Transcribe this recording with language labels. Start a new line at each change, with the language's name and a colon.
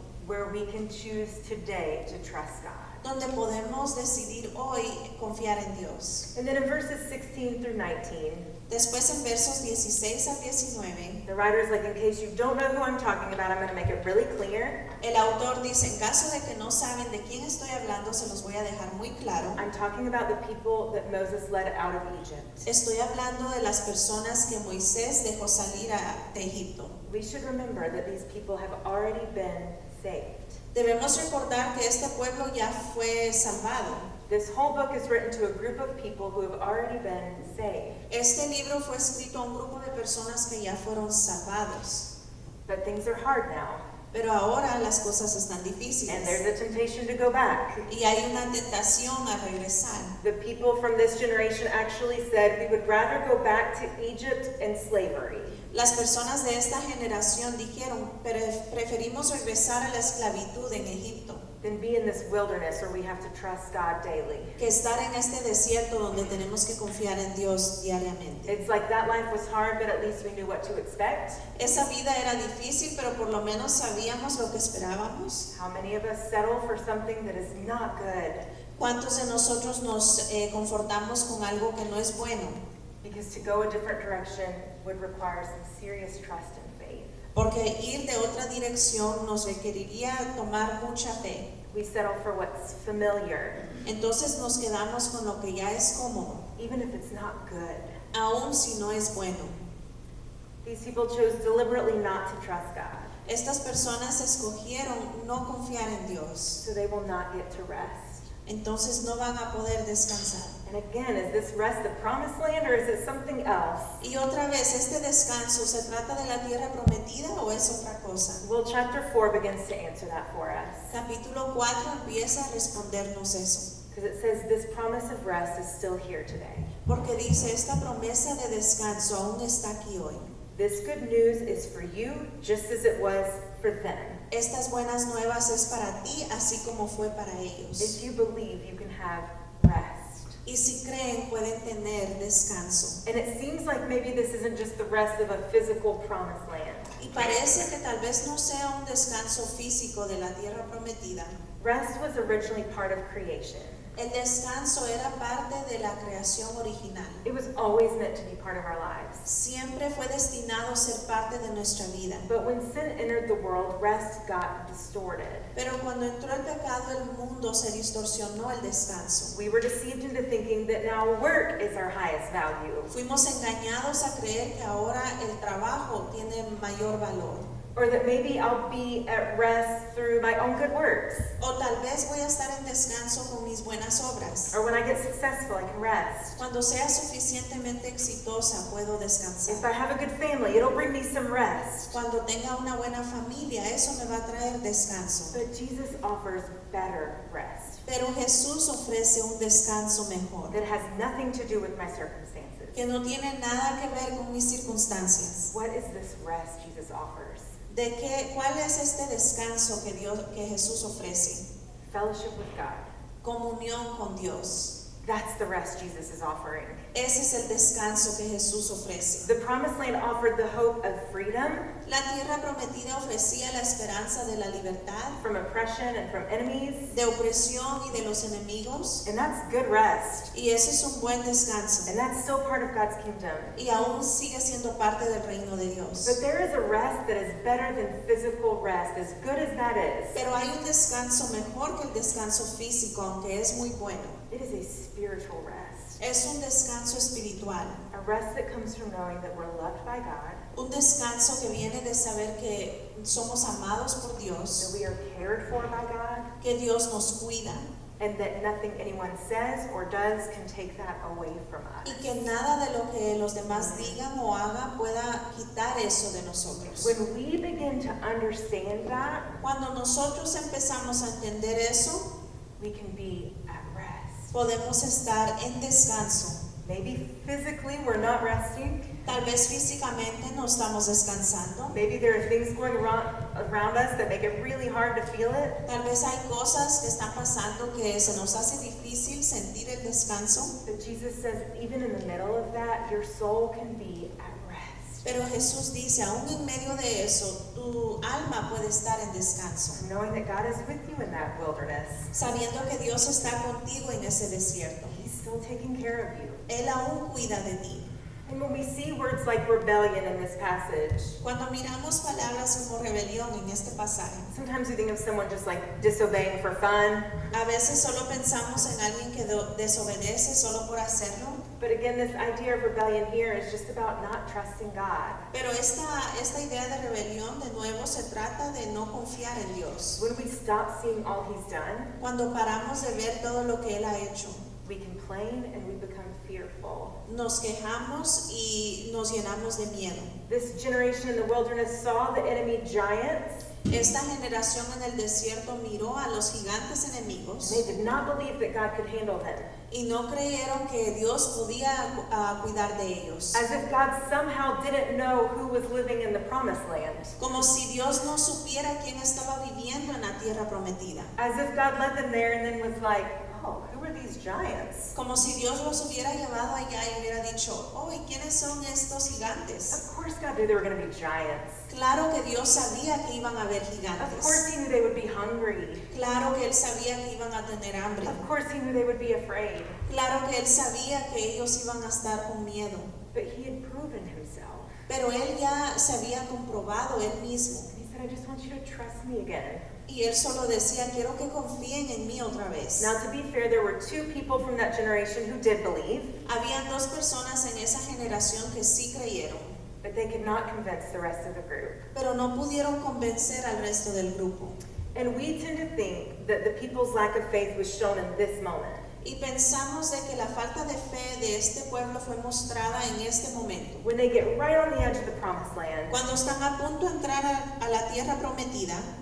English: Where we can choose today to trust God.
Spanish: Donde podemos decidir hoy confiar en Dios.
English: And then in verses 16 through 19.
Spanish: Después en versos 16 a 19.
English: The writer is like, in case you don't know who I'm talking about, I'm going to make it really clear.
Spanish: El autor dice, en caso de que no saben de quién estoy hablando, se los voy a dejar muy claro.
English: I'm talking about the people that Moses led out of Egypt.
Spanish: Estoy hablando de las personas que Moisés dejó salir de Egipto.
English: We should remember that these people have already been saved.
Spanish: Debemos recordar que este pueblo ya fue salvado.
English: This whole book is written to a group of people who have already been saved.
Spanish: Este libro fue escrito a un grupo de personas que ya fueron salvados.
English: But things are hard now.
Spanish: Pero ahora las cosas están difíciles.
English: And there's a temptation to go back.
Spanish: Y hay una tentación a regresar.
English: The people from this generation actually said, we would rather go back to Egypt and slavery.
Spanish: Las personas de esta generación dijeron, preferimos regresar a la esclavitud en Egipto.
English: Than be in this wilderness where we have to trust God daily.
Spanish: Que estar en este desierto donde tenemos que confiar en Dios diariamente.
English: It's like that life was hard, but at least we knew what to expect.
Spanish: Esa vida era difícil, pero por lo menos sabíamos lo que esperábamos.
English: How many of us settle for something that is not good?
Spanish: ¿Cuántos de nosotros nos confortamos con algo que no es bueno?
English: Because to go a different direction would require some serious trust and faith.
Spanish: Porque ir de otra dirección nos requeriría tomar mucha fe.
English: We settle for what's familiar.
Spanish: Entonces nos quedamos con lo que ya es cómodo.
English: Even if it's not good.
Spanish: Aún si no es bueno.
English: These people chose deliberately not to trust God.
Spanish: Estas personas escogieron no confiar en Dios.
English: So they will not get to rest.
Spanish: Entonces no van a poder descansar.
English: And again, is this rest the promised land or is it something else?
Spanish: Y otra vez, este descanso, ¿se trata de la tierra prometida o es otra cosa?
English: Well, chapter 4 begins to answer that for us.
Spanish: Capítulo 4 empieza a respondernos eso.
English: Because it says this promise of rest is still here today.
Spanish: Porque dice, esta promesa de descanso aún está aquí hoy.
English: This good news is for you, just as it was for them.
Spanish: Estas buenas nuevas es para ti, así como fue para ellos.
English: If you believe, you can have rest.
Spanish: Y si creen, pueden tener descanso.
English: And it seems like maybe this isn't just the rest of a physical promised land.
Spanish: Y parece que tal vez no sea un descanso físico de la tierra prometida.
English: Rest was originally part of creation.
Spanish: El descanso era parte de la creación original.
English: It was always meant to be part of our lives.
Spanish: Siempre fue destinado a ser parte de nuestra vida.
English: But when sin entered the world, rest got distorted.
Spanish: Pero cuando entró el pecado, el mundo se distorsionó el descanso.
English: We were deceived into thinking that now work is our highest value.
Spanish: Fuimos engañados a creer que ahora el trabajo tiene mayor valor.
English: Or that maybe I'll be at rest through my own good works.
Spanish: O tal vez voy a estar en descanso con mis buenas obras.
English: Or when I get successful, I can rest.
Spanish: Cuando sea suficientemente exitosa, puedo descansar.
English: If I have a good family, it'll bring me some rest.
Spanish: Cuando tenga una buena familia, eso me va a traer descanso.
English: But Jesus offers better rest.
Spanish: Pero Jesús ofrece un descanso mejor.
English: That has nothing to do with my circumstances.
Spanish: Que no tiene nada que ver con mis circunstancias.
English: What is this rest Jesus offers?
Spanish: ¿De qué, cuál es este descanso que Dios, que Jesús ofrece?
English: Fellowship with God.
Spanish: Comunión con Dios.
English: That's the rest Jesus is offering.
Spanish: Ese es el descanso que Jesús ofrece.
English: The promised land offered the hope of freedom.
Spanish: La tierra prometida ofrecía la esperanza de la libertad.
English: From oppression and from enemies.
Spanish: De opresión y de los enemigos.
English: And that's good rest.
Spanish: Y ese es un buen descanso.
English: And that's still part of God's kingdom.
Spanish: Y aún sigue siendo parte del reino de Dios.
English: But there is a rest that is better than physical rest, as good as that is.
Spanish: Pero hay un descanso mejor que el descanso físico, aunque es muy bueno.
English: It is a spiritual rest.
Spanish: Es un descanso espiritual.
English: A rest that comes from knowing that we're loved by God.
Spanish: Un descanso que viene de saber que somos amados por Dios.
English: That we are cared for by God.
Spanish: Que Dios nos cuida.
English: And that nothing anyone says or does can take that away from us.
Spanish: Y que nada de lo que los demás digan o hagan pueda quitar eso de nosotros.
English: When we begin to understand that,
Spanish: cuando nosotros empezamos a entender eso,
English: we can be at rest.
Spanish: podemos estar en descanso.
English: Maybe physically we're not resting.
Spanish: Tal vez físicamente no estamos descansando.
English: Maybe there are things going wrong around us that make it really hard to feel it.
Spanish: Tal vez hay cosas que están pasando que se nos hace difícil sentir el descanso.
English: But Jesus says, even in the middle of that, your soul can be at rest.
Spanish: Pero Jesús dice, aún en medio de eso, tu alma puede estar en descanso.
English: Knowing that God is with you in that wilderness.
Spanish: Sabiendo que Dios está contigo en ese desierto.
English: He's still taking care of you.
Spanish: Él aún cuida de ti.
English: And when we see words like rebellion in this passage,
Spanish: cuando miramos palabras como rebelión en este pasaje,
English: sometimes we think of someone just like disobeying for fun.
Spanish: A veces solo pensamos en alguien que desobedece solo por hacerlo.
English: But again, this idea of rebellion here is just about not trusting God.
Spanish: Pero esta idea de rebelión de nuevo se trata de no confiar en Dios.
English: When we stop seeing all He's done,
Spanish: cuando paramos de ver todo lo que Él ha hecho,
English: we complain and we become
Spanish: nos quejamos y nos llenamos de miedo.
English: This generation in the wilderness saw the enemy giants.
Spanish: Esta generación en el desierto miró a los gigantes enemigos.
English: They did not believe that God could handle them.
Spanish: Y no creyeron que Dios podía cuidar de ellos.
English: As if God somehow didn't know who was living in the promised land.
Spanish: Como si Dios no supiera quién estaba viviendo en la tierra prometida.
English: As if God led them there and then was like, oh, who are these giants?
Spanish: Como si Dios los hubiera llevado allá y hubiera dicho, oh, ¿y quiénes son estos gigantes?
English: Of course God knew they were going to be giants.
Spanish: Claro que Dios sabía que iban a haber gigantes.
English: Of course he knew they would be hungry.
Spanish: Claro que él sabía que iban a tener hambre.
English: Of course he knew they would be afraid.
Spanish: Claro que él sabía que ellos iban a estar con miedo.
English: But he had proven himself.
Spanish: Pero él ya se había comprobado él mismo.
English: He said, I just want you to trust me again.
Spanish: Y él solo decía, quiero que confíen en mí otra vez.
English: Now, to be fair, there were two people from that generation who did believe.
Spanish: Habían dos personas en esa generación que sí creyeron.
English: But they could not convince the rest of the group.
Spanish: Pero no pudieron convencer al resto del grupo.
English: And we tend to think that the people's lack of faith was shown in this moment.
Spanish: Y pensamos de que la falta de fe de este pueblo fue mostrada en este momento.
English: When they get right on the edge of the promised land.
Spanish: Cuando están a punto de entrar a la tierra prometida.